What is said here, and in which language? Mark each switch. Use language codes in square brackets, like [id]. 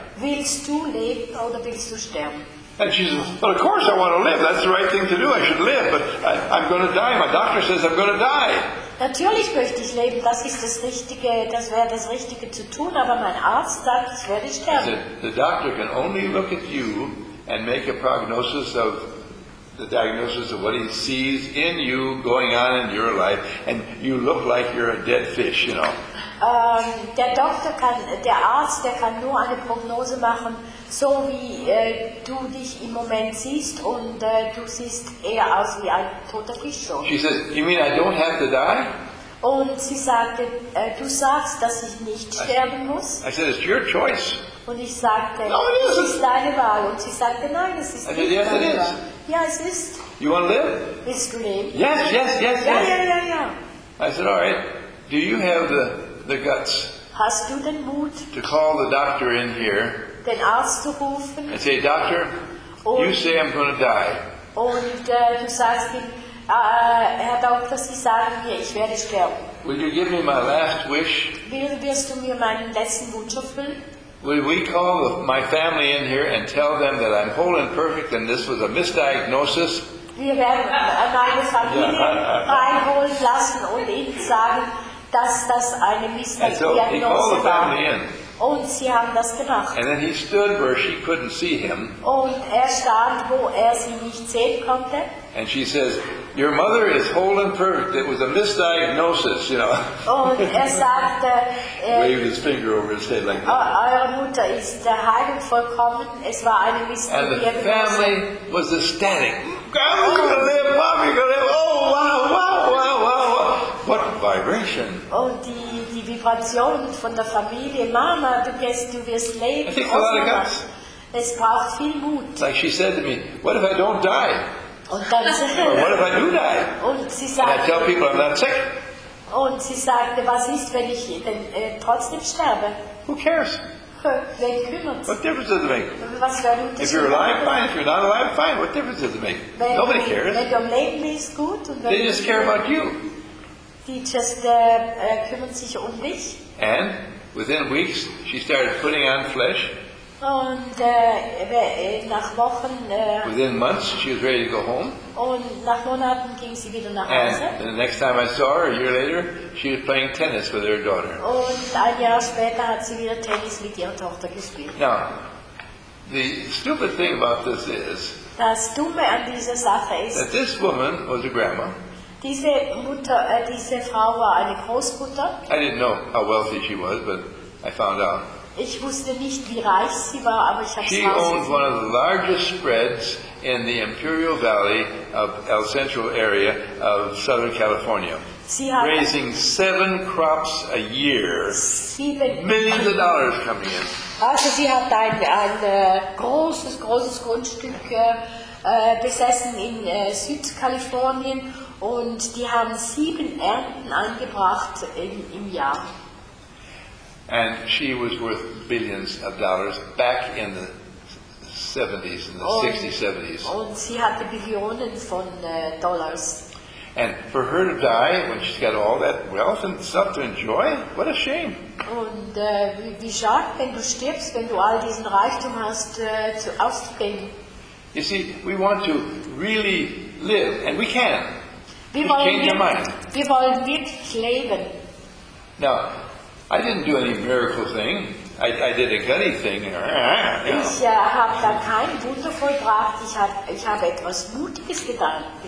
[de] Willst du leben oder willst du sterben? [en] And she says, well, of course I want to live. That's the right thing to do. I should live, but I'm going to die. My doctor says I'm going to die. [de] Natürlich möchte ich leben. Das ist das Richtige. Das wäre das Richtige zu tun. Aber mein Arzt sagt, ich werde sterben. [en] Said, the doctor can only look at you and make a prognosis of the diagnosis of what he sees in you going on in your life, and you look like you're a dead fish, you know. [de] Der Arzt kann nur eine Prognose machen, so wie du dich im Moment siehst, und du siehst eher aus wie ein toter Fisch. [en] So. She says, you mean I don't have to die? [de] Und sie sagte, du sagst, dass ich nicht sterben muss? [en] I said, it's your choice. [de] Und ich sagte, [en] no, it isn't. [de] Es ist deine Wahl. Und sie sagte, nein, es ist nicht deine Wahl. [en] Yes, [de] ja, es ist. [en] You want to live? [de] Willst du leben? [en] Yes, yes, yes, [de] ja, [en] yes. [de] Ja, ja, ja. [en] I said, all right, do you have the the guts. [de] Hast du den Mut, [en] to call the doctor in here, [de] den Arzt zu rufen, [en] and say, Doctor, [de] und, [en] you say I'm going to die. [de] Und du sagst ihm, Herr Doktor, Sie sagen mir, ich werde sterben. [en] Will you give me my last wish? [de] Wirst du mir meinen letzten Wunsch erfüllen? [en] Will we call my family in here and tell them that I'm whole and perfect and this was a misdiagnosis? [de] Wir werden meine Familie reinholen lassen und ihnen sagen, dass das eine Missdiagnose war. Und sie haben das gemacht. [en] And then he stood where she couldn't see him. [de] Und stand, wo sie nicht sehen konnte. [en] And she says, your mother is whole and perfect. It was a misdiagnosis, you know. [de] Und sagt, [en] waved his finger over his head like that. [de] Eure Mutter ist heil und vollkommen. Es war eine Missdiagnose. [en] And the family was ecstatic. I'm going to live, Mom, you're going to live. Oh, wow, wow, wow, wow, wow. What vibration. [de] Und die Vibration von der Familie. Mama, du wirst leben. [en] It takes a lot of guts. [de] Es braucht viel Mut. [en] Like she said to me, what if I don't die? What if I do die? [de] Und sie sagt, [en] and I tell people I'm not sick. [de] Und sie sagte, was ist, wenn ich denn trotzdem sterbe? [en] Who cares? [de] Wen kümmert's? [en] What difference does it make? [de] Was für ein Unterschied? [en] If you're alive, fine. If you're not alive, fine. What difference does it make? [de] Wenn [en] nobody cares. [de] Wenn du am Leben bist, gut. Und [en] they just care about you. [de] Die just kümmern sich um dich. [en] And within weeks, she started putting on flesh. [de] Und nach Wochen [en] within months she was ready to go home. [de] Und nach Monaten ging sie wieder nach [en] and [de] Hause. [en] The next time I saw her a year later, she was playing tennis with her daughter. [de] Und ein Jahr später hat sie wieder Tennis mit ihrer Tochter gespielt. [en] Now, the stupid thing about this is [de] das Dumme an dieser Sache ist, [en] that this woman was a grandma. [de] Diese Mutter, diese Frau war eine Großmutter. [en] I didn't know how wealthy she was, but I found out. [de] Ich wusste nicht, wie reich sie war, aber ich habe [en] sie owned one of the largest spreads in the Imperial Valley of El Centro area of Southern California. [de] Sie hat [en] raising seven crops a year. Millions of dollars coming in. [de] Also sie hat ein großes Grundstück besessen in Südkalifornien und die haben sieben Ernten angebracht im Jahr. [en] And she was worth billions of dollars back in the 70s, in the 60s, 70s. [de] Und sie hatte Billionen von Dollars. [en] And for her to die when she's got all that wealth and stuff to enjoy, what a shame. [de] Und wie schade, wenn du stirbst, wenn du all diesen Reichtum hast, zu auszugeben. [en] You see, we want to really live, and we can. [de] Wir wollen wirklich leben. [en] Now, I didn't do any miracle thing. I did a gutty thing. [de] Ich habe da kein Wunder vollbracht. Ich habe etwas Mutiges getan.